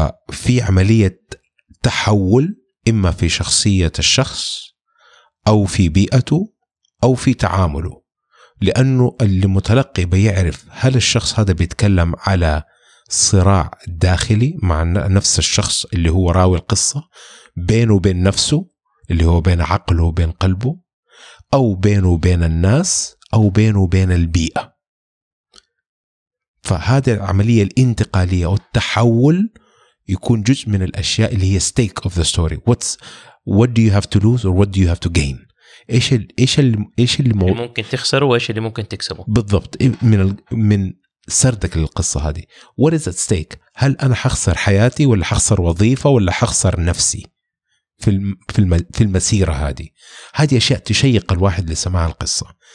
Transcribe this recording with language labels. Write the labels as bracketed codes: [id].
[ar] في عملية تحول إما في شخصية الشخص أو في بيئته أو في تعامله، لأنه المتلقي بيعرف هل الشخص هذا بيتكلم على صراع داخلي مع نفس الشخص اللي هو راوي القصة، بينه وبين نفسه اللي هو بين عقله وبين قلبه، أو بينه وبين الناس، أو بينه وبين البيئة. فهذه العملية الانتقالية أو التحول يكون جزء من الأشياء اللي هي [en] stake of the story. What do you have to lose or what do you have to gain؟ [ar] إيش اللي ممكن تخسره وإيش اللي ممكن تكسبه؟ بالضبط، من سردك للقصة هذه. [en] What is at stake؟ [ar] هل أنا حخسر حياتي ولا حخسر وظيفة ولا حخسر نفسي في المسيرة هذه؟ هذه أشياء تشيق الواحد لسماع القصة.